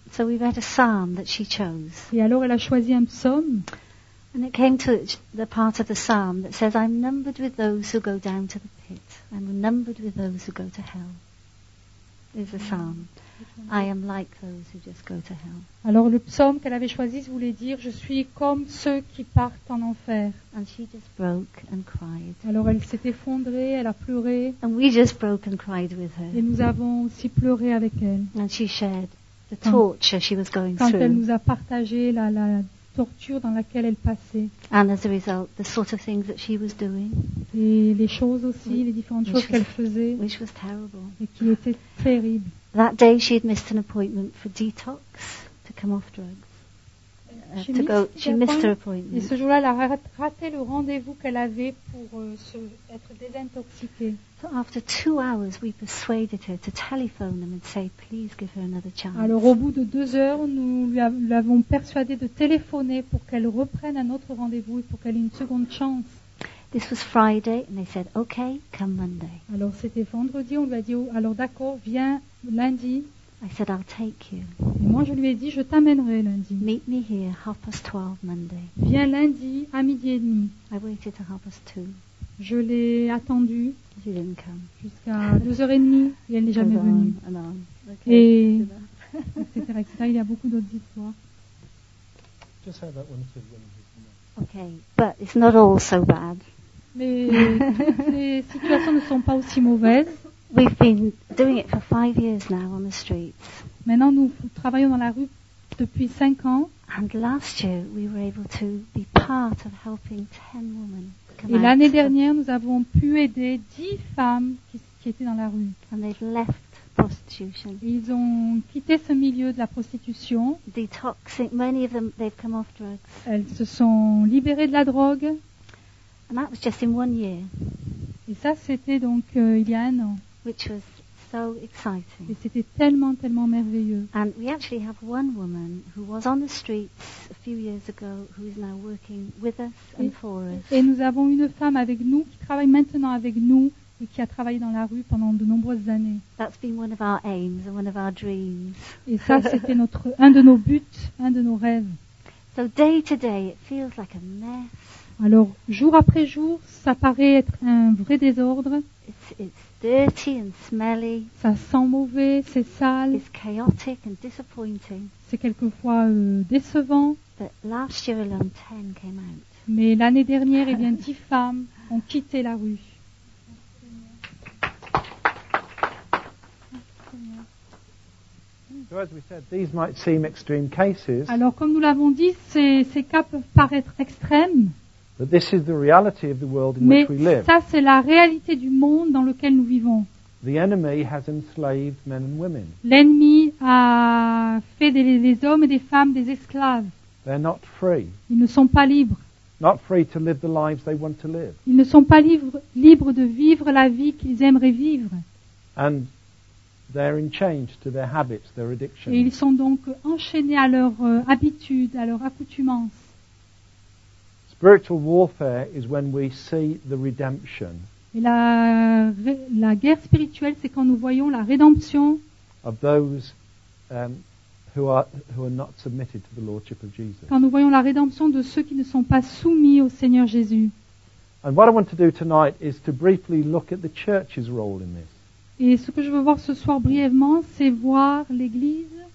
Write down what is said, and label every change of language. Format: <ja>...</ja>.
<en>So we read a psalm that she chose.</en> <fr>Et alors elle a choisi un psaume.</fr> <en>And it came to the part of the psalm that says, "I'm numbered with those who go down to the pit. I'm numbered with those who go to hell." Is a psalm. I am like those who just go to hell.</en> <fr>Alors le psaume qu'elle avait choisi voulait dire je suis comme ceux qui partent en enfer.</fr> <en>And she just broke and cried.</en> <fr>Alors elle s'est effondrée, elle a pleuré.</fr> <en>And we just broke and cried with her.</en> <fr>Et nous avons aussi pleuré avec elle.</fr> <en>And she shared the torture she was going</en> <fr>quand</fr> <en>through.</en> <fr>Elle nous a partagé la torture dans laquelle elle passait.</fr> <en>And as a result, the sort of things that she was doing.</en> <fr>Et les choses aussi, les différentes choses qu'elle faisait.</fr> <en>Which was terrible.</en> <fr>Et qui étaient terribles.</fr> <en>That day she had missed an appointment for detox to come off drugs.</en> <fr>Et ce jour-là, elle a raté le rendez-vous qu'elle avait pour être désintoxiquée.</fr> <en>So after 2 hours, we persuaded her to telephone them and say, please give her another chance.</en> <fr>Alors au bout de 2 heures, nous l'avons persuadée de téléphoner pour qu'elle reprenne un autre rendez-vous et pour qu'elle ait une seconde chance.</fr> <en>This was Friday, and they said, okay, come Monday.</en> <fr>Alors c'était vendredi, on lui a dit, alors d'accord, viens lundi.</fr> <en>I said, I'll take you.</en> <fr>Et moi, je lui ai dit, je t'amènerai lundi.</fr> <en>Meet me here, 12:30 Monday.</en> <fr>Viens lundi, à midi et demi.</fr> <en>I waited till 2:30.</en> <fr>Je l'ai attendu.</fr> <en>She didn't come.</en> <fr>Jusqu'à 2h30, et elle n'est jamais venue.</fr> <en>And on. Okay.</en> <fr>Et etc. Il y a beaucoup d'autres histoires.</fr> <en>Just have that one too. Okay, but it's not all so bad.</en> <fr>Mais les situations ne sont pas aussi mauvaises.</fr> <en>We've been doing it for 5 years now on the streets.</en> <fr>Maintenant, nous travaillons dans la rue depuis 5 ans.</fr> <en>And last year, we were able to be part of helping 10 women come out.</en> <fr>Et l'année dernière, nous avons pu aider 10 femmes qui étaient dans la rue.</fr> <en>And they've left prostitution.</en> <fr>Ils ont quitté ce milieu de la prostitution.</fr> <en>Detoxing, many of them, they've come off drugs.</en> <fr>Elles se sont libérées de la drogue.</fr> <en>And that was just in 1 year.</en> <fr>Et ça, c'était donc il y a un an.</fr> <en>Which was so exciting.</en> <fr>Et c'était tellement, tellement merveilleux.</fr> <en>And we actually have one woman who was on the streets a few years ago, who is now working with us and for us.</en> <fr>Et nous avons une femme avec nous qui travaille maintenant avec nous et qui a travaillé dans la rue pendant de nombreuses années.</fr> <en>That's been one of our aims and one of our dreams.</en> <fr>Et ça, c'était un de nos buts, un de nos rêves.</fr> <en>So day to day, it feels like a mess.</en> <fr>Alors, jour après jour, ça paraît être un vrai désordre.</fr> <en>It's dirty and smelly.</en> <fr>Ça sent mauvais, c'est sale.</fr> <en>It's chaotic and disappointing.</en> <fr>C'est quelquefois décevant.</fr> <en>But last year alone, 10 came out.</en> <fr>Mais l'année dernière, eh bien, 10 femmes ont quitté la rue. Merci.</fr> <en>So as we said, these might seem extreme cases.</en> <fr>Alors comme nous l'avons dit, ces cas peuvent paraître extrêmes.</fr> <en>But this is the reality of the world in</en> <fr>Mais</fr> <en>which we live.</en> <fr>Ça c'est la réalité du monde dans lequel nous vivons.</fr> <en>The enemy has enslaved men and women.</en> <fr>L'ennemi a fait des hommes et des femmes des esclaves.</fr> <en>They're not free.</en> <fr>Ils ne sont pas libres.</fr> <en>Not free to live the lives they want to live.</en> <fr>Ils ne sont pas libres de vivre la vie qu'ils aimeraient vivre.</fr> <en>And they're in chains to their habits, their addictions.</en> <fr>Et ils sont donc enchaînés à leurs habitudes, à leurs accoutumances.</fr> <en>Spiritual warfare is when we see the redemption.</en> <fr>Et la guerre spirituelle, c'est quand nous voyons la rédemption</fr> <en>of those, who are not submitted to the Lordship of Jesus.</en> <fr>Quand nous voyons la rédemption de ceux qui ne sont pas soumis au Seigneur Jésus.</fr> <en>And what I want to do tonight is to briefly look at the church's role in this.</en> <fr>Et ce que je veux voir ce soir brièvement, c'est voir l'Église.</fr>